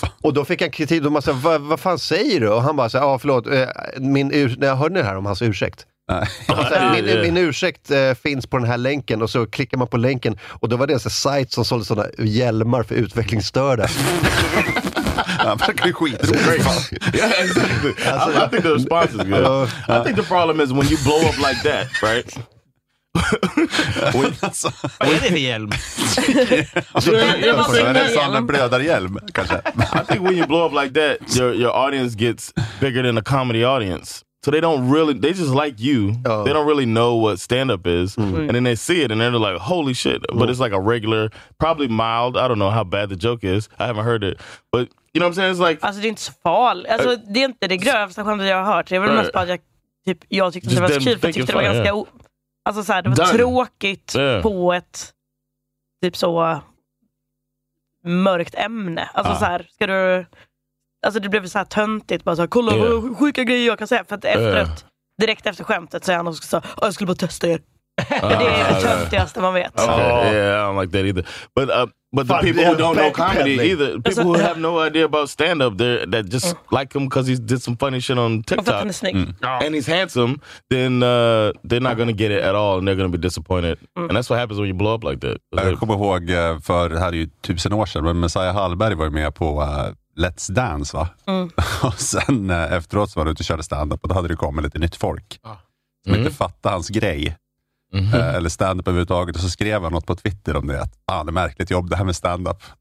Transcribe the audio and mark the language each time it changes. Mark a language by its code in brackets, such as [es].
[sv] Och då fick han kritik och man sa, vad fan säger du? Och han bara sa, förlåt, jag hörde det här om hans ursäkt. Min ursäkt finns på den här länken. Och så klickar man på länken. Och då var det en sajt som sålde sådana hjälmar för utvecklingsstörda. Han verkar ju skitrolig. [en] I think the response is good. I think the problem is when you blow up like that, right? [sv] Vad är det för hjälm? Är det en sån där blödarhjälm? [en] I think when you blow up like that, your audience gets bigger than a comedy audience. So they don't really, they just like you. They don't really know what stand-up is. Mm. And then they see it and they're like, holy shit. Mm. But it's like a regular, probably mild. I don't know how bad the joke is. I haven't heard it. But you know what I'm saying? It's like, [sv] alltså det är inte så farligt. Alltså det är inte det grövsta skämtet jag har hört. Det är väl mest bara att jag tyckte det var så kul. Jag tyckte det var ganska, alltså så här, det var done. Tråkigt på ett typ så mörkt ämne. Alltså så här, ska du... Alltså det blev så här töntigt, bara så här, kolla vad sjuka grejer jag kan säga. För att direkt efter skämtet så är han och sa, jag skulle bara testa er. Det är det töntigaste man vet. [en] Yeah, I don't like that either. But the people who don't know comedy either, people who have no idea about stand-up, that just like him because he did some funny shit on TikTok. And he's handsome, then they're not gonna get it at all and they're gonna be disappointed. Mm. And that's what happens when you blow up like that. [sv] Jag kommer ihåg, för det här är ju tusen år sedan, men Messiah Hallberg var med på... Let's Dance, va? Mm. Och sen efteråt så var du ute och körde stand-up och då hade det kommit lite nytt folk som inte fattade hans grej. Eller stand-up överhuvudtaget. Och så skrev han något på Twitter om det. Att, det är märkligt jobb det här med stand-up.